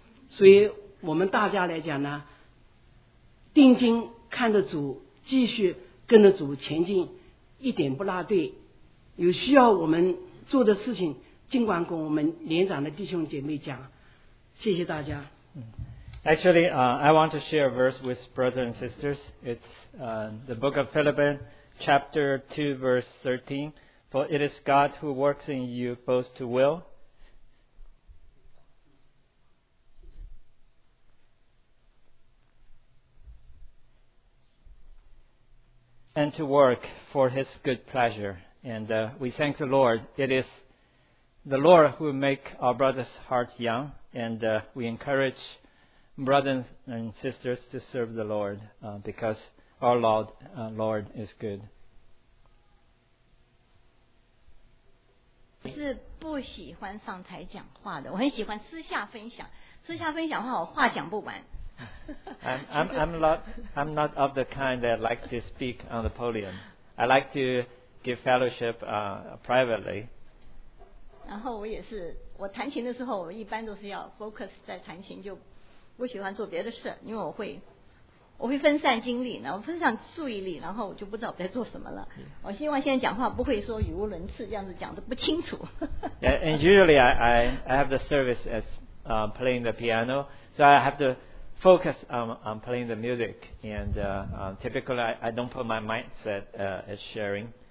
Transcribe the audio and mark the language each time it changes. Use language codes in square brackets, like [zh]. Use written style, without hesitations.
[zh] 所以我们大家来讲呢，定睛看着主，继续跟着主前进，一点不落队。有需要我们做的事情，尽管跟我们年长的弟兄姐妹讲。谢谢大家。 [en] Actually, I want to share a verse with brothers and sisters. It's the book of Philippians, chapter 2, verse 13. For it is God who works in you both to will. And to work for his good pleasure. And we thank the Lord. It is the Lord who make our brothers' hearts young. And we encourage brothers and sisters to serve the Lord. Because our Lord is good. [zh] 是不喜欢上台讲话的，我很喜欢私下分享。私下分享的话，我话讲不完。 [en] I'm not of the kind that like to speak on the podium. I like to give fellowship privately. [zh] 然后我也是，我弹琴的时候我一般都是要 focus 在弹琴，就不喜欢做别的事，因为我会分散精力，然后分散注意力，然后我就不知道我在做什么了。我希望现在讲话不会说语无伦次，这样子讲得不清楚。 [en] And usually I have the service as playing the piano, so I have to focus on playing the music. And typically I don't put my mindset as sharing.